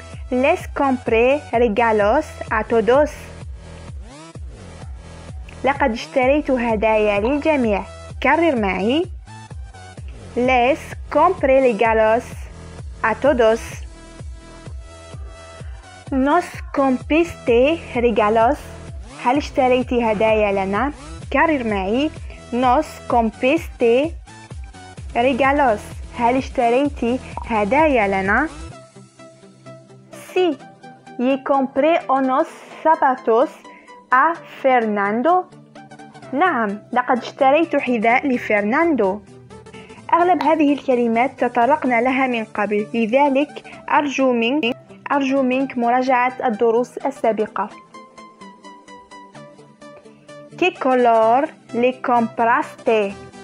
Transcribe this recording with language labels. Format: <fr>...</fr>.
<es>Les compré regalos a todos.</es> <ar>لقد اشتريت هدايا للجميع. كرر معي.</ar> <es>Les compré regalos a todos. Nos compraste regalos.</es> <ar>هل اشتريت هدايا لنا؟ كرر معي.</ar> <es>Nos compraste regalos.</es> <ar>هل اشتريت هدايا لنا؟ Sí.</ar> <es>Le compré unos zapatos a Fernando.</es> <ar>نعم، لقد اشتريت حذاء لفرناندو. أغلب هذه الكلمات تطرقنا لها من قبل، لذلك أرجو منك مراجعة الدروس السابقة.</ar> <es>Qué color le compraste?</es>